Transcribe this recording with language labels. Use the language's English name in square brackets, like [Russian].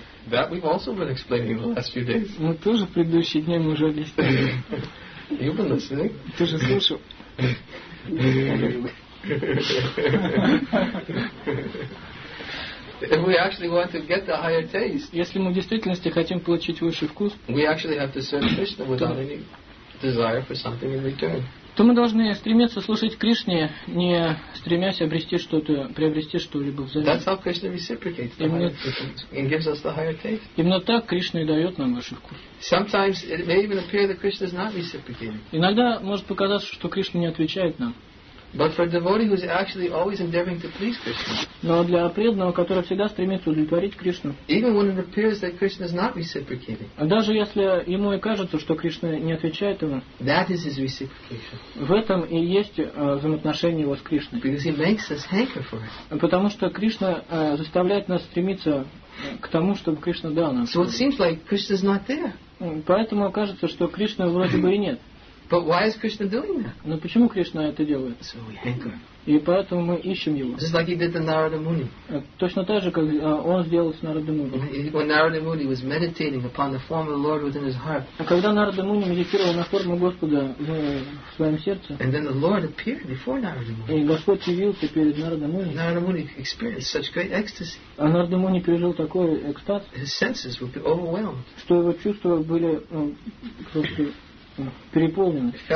[English] That we've also been explaining the last few days. [Russian] Мы тоже в предыдущие дни уже объясняли. [English] You've been listening. [Russian] Ты же слышал. [English] If we actually want to get the higher taste, [Russian] если мы в действительности хотим получить высший вкус, [English] we actually have to serve Krishna without any desire for something in return. [Russian] То мы должны стремиться служить Кришне, не стремясь обрести что-то, приобрести что-либо взамен. [English] That's how Krishna reciprocates the higher taste and gives us the higher taste. [Russian] Именно так Кришна и дает нам высший вкус. [English] Sometimes it may even appear that Krishna is not reciprocating. [Russian] Иногда может показаться, что Кришна не отвечает нам. [English] But for a devotee who is actually always endeavoring to please Krishna. [Russian] Но для преданного, который всегда стремится удовлетворить Кришну. [English] Even when it appears that Krishna is not reciprocating. [Russian] Даже если ему и кажется, что Кришна не отвечает ему. [English] That is his reciprocation. [Russian] В этом и есть взаимоотношение его с Кришной. [English] Because he makes us hanker for it. [Russian] Потому что Кришна заставляет нас стремиться к тому, чтобы Кришна дал нам. [English] So it seems like Krishna is not there. [Russian] Поэтому кажется, что Кришны вроде бы и нет. [English] But why is Krishna doing that? [Russian] Но почему Кришна это делает? [English] So we hanker. [Russian] И поэтому мы ищем его. [English] Just like he did the Narada Muni. [Russian] Точно так же, как он сделал с Нарада Муни. [English] When Narada Muni was meditating upon the form of the Lord within his heart. [Russian] А когда Нарада Муни медитировал на форму Господа в своем сердце. [English] And then the Lord appeared before Narada Muni. [Russian] И Господь явился перед Нарада Муни. [English] Narada Muni experienced such great ecstasy. [Russian] А Нарада Муни пережил такой экстаз. [English] His senses were overwhelmed. [Russian] Что его чувства были просто переполнен.